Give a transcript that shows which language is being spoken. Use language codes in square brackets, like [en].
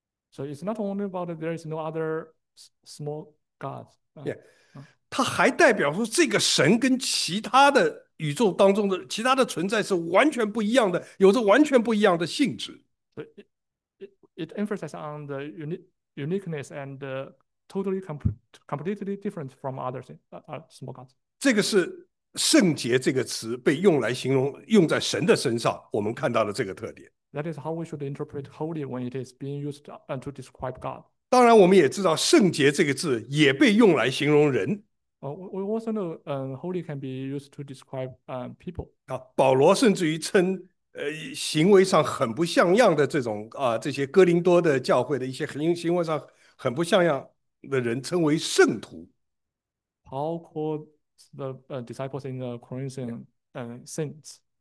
[en] So it's not only about there is no other small gods. [zh] 它还代表说这个神跟其他的宇宙当中的其他的存在是完全不一样的，有着完全不一样的性质。 [en] So it emphasizes on the uniqueness and totally completely different from other things, small gods. [zh] 这个是圣洁这个词被用来形容用在神的身上，我们看到了这个特点。 [en] That is how we should interpret holy when it is being used to describe God. [zh] 当然，我们也知道圣洁这个字也被用来形容人。 [en] We also know holy can be used to describe people. [zh] 啊，保罗甚至于称行为上很不像样的这种这些哥林多的教会的一些行为上很不像样的人称为圣徒。 [en] Paul called the disciples in the Corinthian saints.